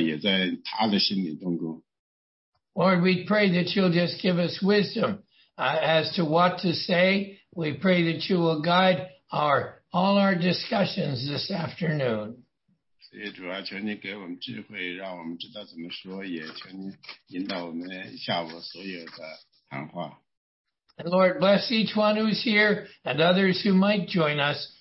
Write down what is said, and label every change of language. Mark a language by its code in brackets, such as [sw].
[zh] 所以呢，主啊，我求您在我们心里动工，我们也为这一个人祷告，也在他的心里动工。 [en] Lord, we pray that you'll just give us wisdom as to what to say. We pray that you will guide all our discussions this afternoon. [zh] 所以主啊，求您给我们智慧，让我们知道怎么说，也求您引导我们下午所有的谈话。 [en] And Lord, bless each one who's here and others who might join us.